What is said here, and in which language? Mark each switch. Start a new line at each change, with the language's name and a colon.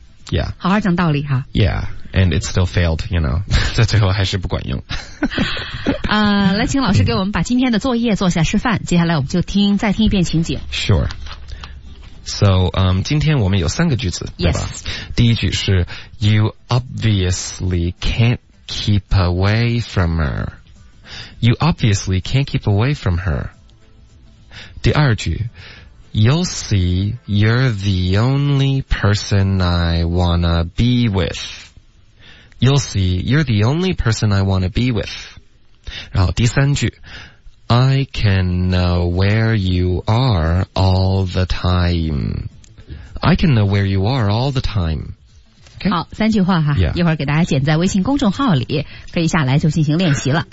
English: Yeah，
Chinese: 好好讲道理哈。
English: Yeah， and it still failed， you know，
Chinese: 在最后还是不管用。来，请老师给我们把今天的作业做下示范。接下来我们就再听一遍情景。
English: Sure。
Chinese: So， 今天我们有三个句子，
English: yes，
Chinese: 对吧？第一句是
English: You obviously can't keep away from her。 You obviously can't keep away from her。
Chinese: 第二句。
English: You'll see, you're the only person I wanna be with. You'll see, you're the only person I wanna be with.
Chinese: 然后第三句
English: I can know where you are all the time. I can know where you are all the time. Okay.
Chinese: 好，三句话哈，
English: yeah.
Chinese: 一会儿给大家剪在微信公众号里，可以下来就进行练习了。